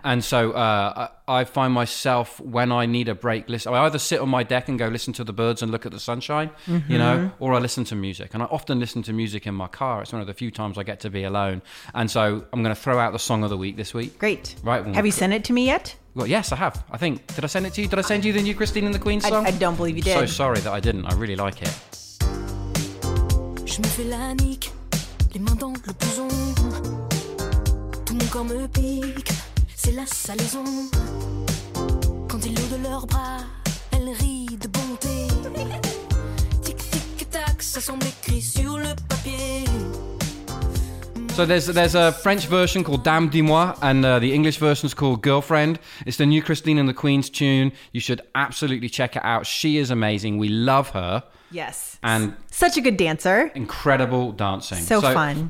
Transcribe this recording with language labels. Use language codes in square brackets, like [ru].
[en] And so I find myself, when I need a break, I either sit on my deck and go listen to the birds and look at the sunshine, you know, or I listen to music. And I often listen to music in my car. It's one of the few times I get to be alone. And so I'm going to throw out the song of the week this week. Great. Right. Have you sent it to me yet? Well, yes, I have. I think. Did I send it to you? Did I send you the new Christine and the Queen song? I don't believe you did. So sorry that I didn't. I really like it. [fr] Je me fais la nique, les mains dans le bouson. Mon corps me pique, c'est la salaison. Quand ils louent de leurs bras, elles rient de bonté. Tic tic tac, ça semble écrit sur le papier. [en] So there's a French version called Dame Dis-moi, and the English version is called Girlfriend. It's the new Christine and the Queen's tune. You should absolutely check it out. She is amazing. We love her. Yes. And such a good dancer. Incredible dancing. So fun.